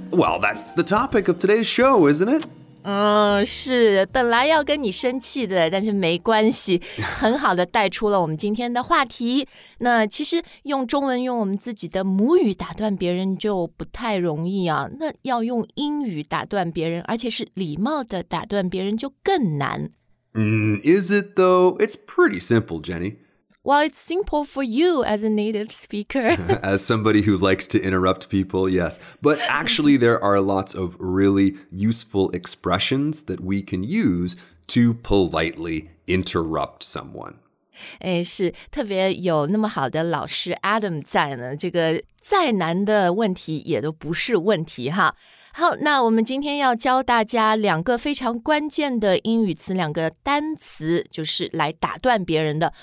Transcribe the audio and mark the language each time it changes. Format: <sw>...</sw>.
<en>Well, that's the topic of today's show, isn't it?</en> <zh>是，本来要跟你生气的，但是没关系，很好的带出了我们今天的话题。那其实用中文用我们自己的母语打断别人就不太容易啊，那要用英语打断别人，而且是礼貌的打断别人就更难。</zh> <en>Is it though? It's pretty simple, Jenny. Well, it's simple for you as a native speaker. As somebody who likes to interrupt people, yes. But actually, there are lots of really useful expressions that we can use to politely interrupt someone.</en> <zh>哎，是，特别有那么好的老师 Adam 在呢，这个再难的问题也都不是问题哈。好，那我们今天要教大家两个非常关键的英语词，两个单词，就是来打断别人的。</zh>